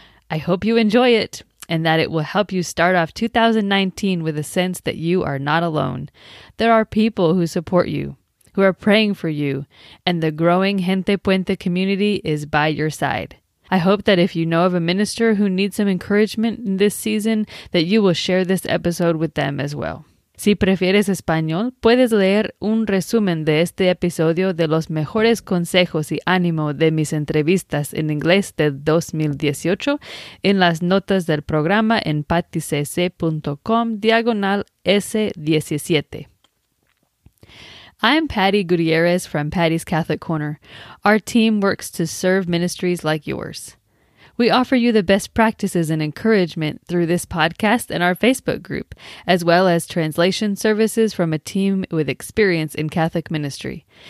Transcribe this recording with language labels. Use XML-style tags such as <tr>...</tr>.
<en>I hope you enjoy it and that it will help you start off 2019 with a sense that you are not alone. There are people who support you, who are praying for you, and the growing Gente Puente community is by your side. I hope that if you know of a minister who needs some encouragement in this season, that you will share this episode with them as well.</en> <es>Si prefieres español, puedes leer un resumen de este episodio de los mejores consejos y ánimo de mis entrevistas en inglés de 2018 en las notas del programa en patticc.com/S17.</es> <en>I'm Patty Gutierrez from Patty's Catholic Corner. Our team works to serve ministries like yours. We offer you the best practices and encouragement through this podcast and our Facebook group, as well as translation services from a team with experience in Catholic ministry.</en>